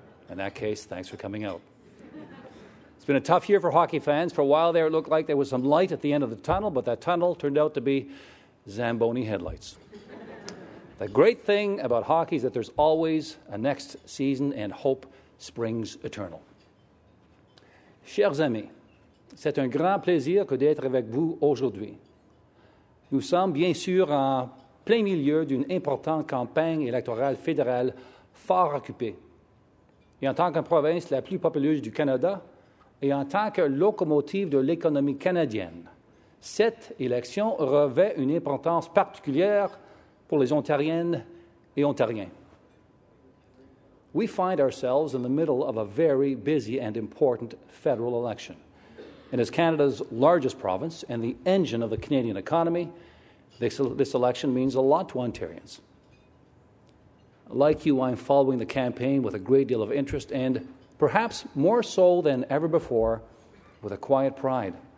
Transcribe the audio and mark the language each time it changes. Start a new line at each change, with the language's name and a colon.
English: In that case, thanks for coming out. It's been a tough year for hockey fans. For a while there, it looked like there was some light at the end of the tunnel, but that tunnel turned out to be Zamboni headlights. The great thing about hockey is that there's always a next season, and hope springs eternal.
French: Chers amis, c'est un grand plaisir que d'être avec vous aujourd'hui. Nous sommes bien sûr en plein milieu d'une importante campagne électorale fédérale fort occupée. Et en tant que province la plus populeuse du Canada, et en tant que locomotive de l'économie canadienne, cette élection revêt une importance particulière pour les Ontariennes et ontarien.
English: We find ourselves in the middle of a very busy and important federal election. And as Canada's largest province and the engine of the Canadian economy, this election means a lot to Ontarians. Like you, I'm following the campaign with a great deal of interest and, perhaps more so than ever before, with a quiet pride.